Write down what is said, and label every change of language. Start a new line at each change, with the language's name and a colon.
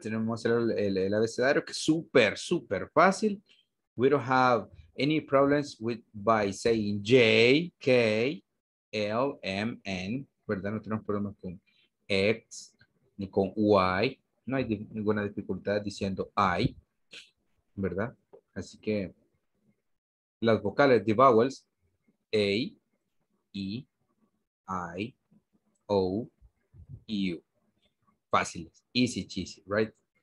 Spanish: Tenemos el abecedario, que es super, super fácil.
English: We don't have any problems with by saying J, K, L, M, N.
Spanish: ¿Verdad? No tenemos problemas con X ni con Y. No hay ninguna dificultad diciendo I, ¿verdad? Así que las vocales,
English: the vowels,
Spanish: A, E, I, O, U. Fáciles.
English: Easy, cheesy, right?